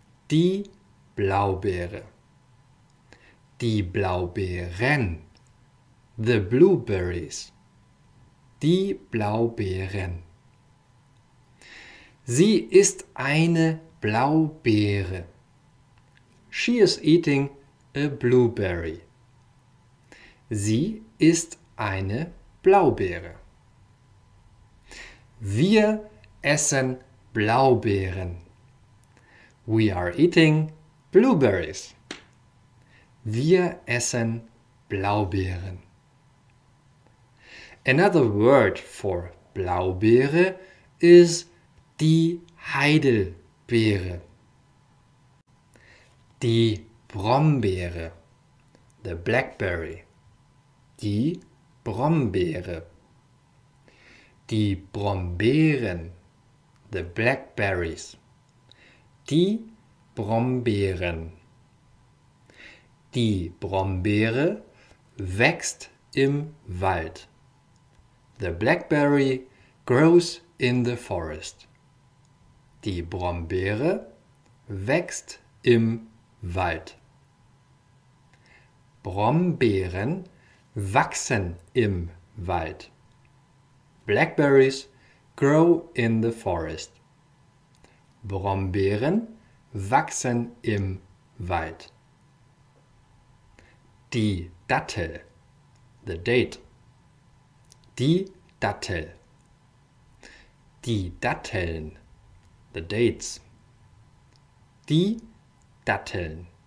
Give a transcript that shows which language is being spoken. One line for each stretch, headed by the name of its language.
German: Die Blaubeere. Die Blaubeeren.
English: The blueberries.
German: Die Blaubeeren. Sie isst eine Blaubeere.
English: She is eating a blueberry.
German: Sie isst eine Blaubeere. Wir essen Blaubeeren.
English: We are eating blueberries.
German: Wir essen Blaubeeren.
English: Another word for Blaubeere is die Heidelbeere.
German: Die Brombeere.
English: The blackberry.
German: Die Brombeere. Die Brombeeren.
English: The blackberries.
German: Die Brombeeren. Die Brombeere wächst im Wald.
English: The blackberry grows in the forest.
German: Die Brombeere wächst im Wald. Brombeeren wachsen im Wald.
English: Blackberries grow in the forest.
German: Brombeeren wachsen im Wald. Die Dattel,
English: the date.
German: Die Dattel. Die Datteln,
English: the dates.
German: Die Datteln.